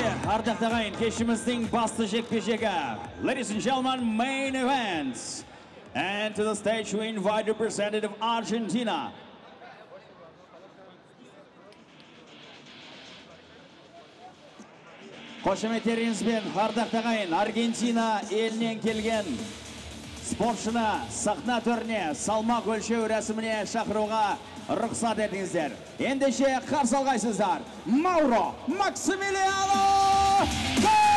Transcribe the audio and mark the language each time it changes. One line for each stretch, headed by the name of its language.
Kazakh: Ардақтағайын, кешіміздің басты жекпе-жегі.
English: Ladies and gentlemen, main events. And to the stage we invite the representative of Argentina.
Kazakh: Қошеметтеріңізбен, Ардақтағайын, Аргентина елінен келген спортшыны сахна төріне салмақ өлшеу рәсіміне шақыруға рұқсат етіңіздер. Ендеше қарсы алғайсыздар. Мауро Максимилиано Котай!